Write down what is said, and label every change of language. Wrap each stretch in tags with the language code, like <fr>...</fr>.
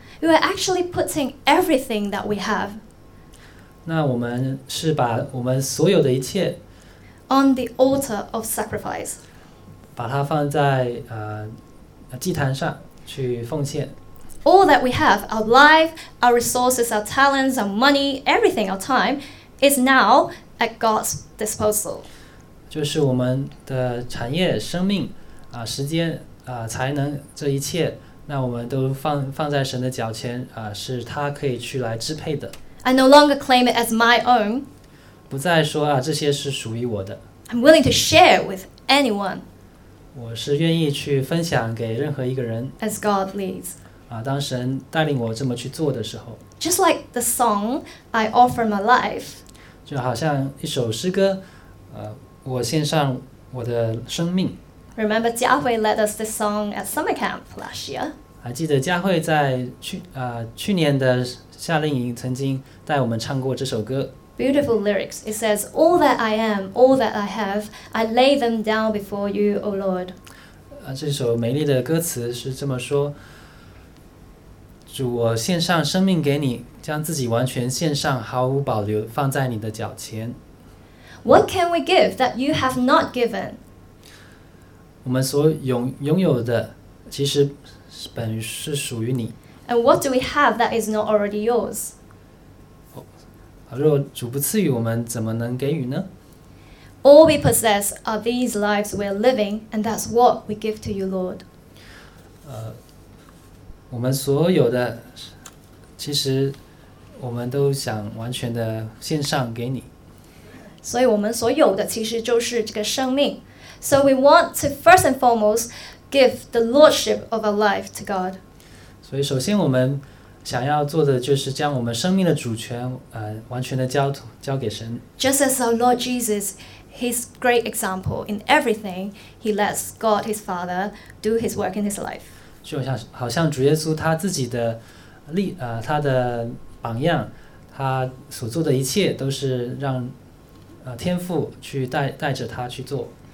<en>we are actually putting everything that we have.</en> <zh>那我们是把我们所有的一切</zh> <en>on the altar of sacrifice.</en> <zh>把它放在祭坛上去奉献。</zh> <en>All that we have, our life, our resources, our talents, our money, everything, our time, is now at God's disposal.</en> <zh>就是我们的产业、生命、时间、才能，这一切，那我们都放在神的脚前，是他可以去来支配的。</zh> <en>I no longer claim it as my own.</en> <zh>不再说这些是属于我的。</zh> <en>I'm willing to share with anyone.</en> <zh>我是愿意去分享给任何一个人。</zh> <en>As God leads.</en> <zh>当神带领我这么去做的时候，</zh> <en>Just like the song I offer my life，</en> <zh>就好像一首诗歌，我献上我的生命。</zh> <en>Remember Jia Hui led us this song at summer camp last year，</en> <zh>还记得佳慧在 去年的夏令营曾经带我们唱过这首歌。</zh> <en>Beautiful lyrics. It says all that I am, all that I have, I lay them down before you, O Lord。</en> <zh>这首美丽的歌词是这么说，主，我献上生命给你，将自己完全献上，毫无保留，放在你的脚前。</zh> <en>What can we give that you have not given?</en> <zh>我们所拥有的，其实本是属于你。</zh> <en>And what do we have that is not already yours?</en> <zh>若主不赐予我们，怎么能给予呢？</zh> <en>All we possess are these lives we are living, and that's what we give to you, Lord.</en> <zh>我们所有的，其实我们都想完全的献上给你。所以我们所有的其实就是这个生命。</zh> <en>So we want to first and foremost give the lordship of our life to God.</en> <zh>所以首先我们想要做的就是将我们生命的主权完全的交给神。</zh> <en>Just as our Lord Jesus, his great example in everything, he lets God his Father do his work in his life.</en> <zh>就好像主耶稣他自己的他的榜样，他所做的一切都是让天父去带着他去做。</zh>